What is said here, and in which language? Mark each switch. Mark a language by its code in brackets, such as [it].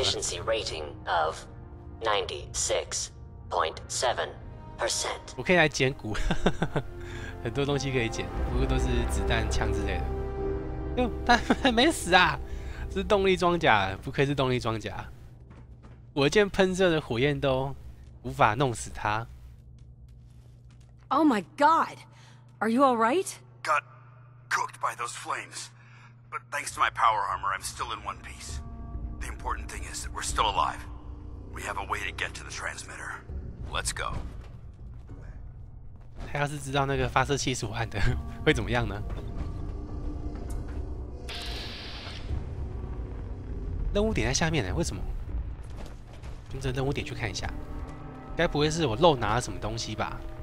[zh] 96.7%。我可以来捡骨，很多东西可以捡，不过都是子弹、枪之类的。哟，他没死啊！是动力装甲，不愧是动力装甲。我见喷射的火焰都无法弄死他。 [en] Oh my God, are you all right? Got cooked by those flames, but thanks to my power armor, I'm still in one piece. The important thing is that we're still alive. We have a way to get to the transmitter. Let's go. [zh] 他要是知道那个发射器是我按的，会怎么样呢？任务点在下面呢，为什么？跟着任务点去看一下，该不会是我漏拿了什么东西吧？